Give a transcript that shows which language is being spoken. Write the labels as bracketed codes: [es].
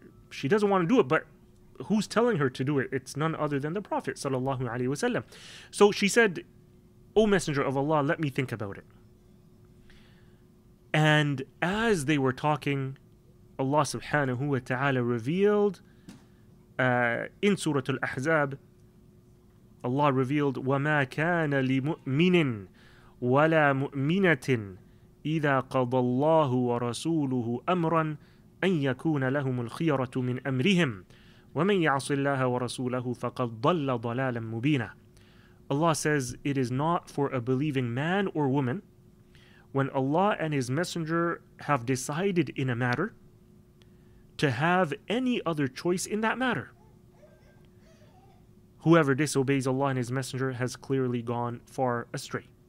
[en] She doesn't want to do it, but who's telling her to do it? It's none other than the Prophet sallallahu alaihi wasallam. So she said, O Messenger of Allah, let me think about it. And as they were talking, Allah subhanahu wa ta'ala revealed in Surah Al-Ahzab, Allah revealed, [ar] وَمَا كَانَ لِمُؤْمِنٍ وَلَا مُؤْمِنَةٍ إِذَا قَضَى اللَّهُ وَرَسُولُهُ أَمْرًا أَنْ يَكُونَ لَهُمُ الْخِيَرَةُ مِنْ أَمْرِهِمْ وَمَنْ يَعْصِ اللَّهَ وَرَسُولَهُ فَقَدْ ضَلَّ ضَلَالًا مُبِينًا. [en] Allah says, it is not for a believing man or woman, when Allah and His Messenger have decided in a matter, to have any other choice in that matter. Whoever disobeys Allah and His Messenger has clearly gone far astray.